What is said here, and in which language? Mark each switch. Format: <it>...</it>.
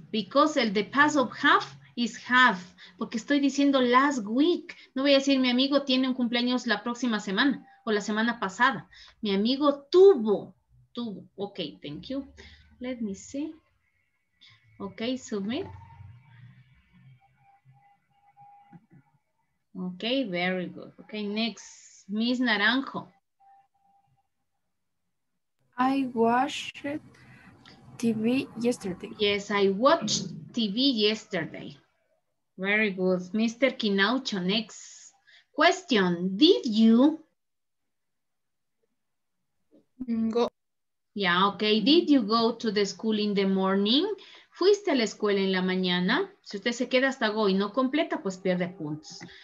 <en>Because</en> <es>el de</es> <en>past of have is have.</en> <es>Porque estoy diciendo</es> <en>last week.</en> <es>No voy a decir mi amigo tiene un cumpleaños la próxima semana o la semana pasada. Mi amigo tuvo.</es> <en>Ok, thank you. Let me see. Ok, submit. Ok, very good. Ok, next. Miss Naranjo. I watched TV yesterday. Yes, I watched TV yesterday. Very good. Mr. Quinaucho, next question. Did you go? Yeah, okay. Did you go to the school in the morning?</en> <es>¿Fuiste a la escuela en la mañana? Si usted se queda hasta go y no completa, pues pierde puntos.</es>